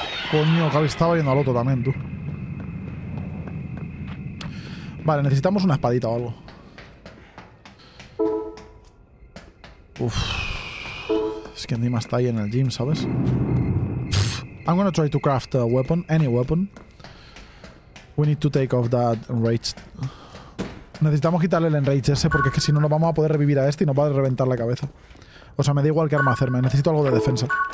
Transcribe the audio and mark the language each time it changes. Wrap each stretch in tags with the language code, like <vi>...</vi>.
<es>Coño, Gabi estaba yendo al otro también, tú. Vale, necesitamos una espadita o algo. Uff. Es que encima está ahí en el gym, ¿sabes? Pff.</es> <en>I'm gonna try to craft a weapon, any weapon. We need to take off that enrage.</en> <es>Necesitamos quitarle el enrage ese, porque es que si no, no vamos a poder revivir a este y nos va a reventar la cabeza. O sea, me da igual qué arma hacerme, necesito algo de defensa.</es>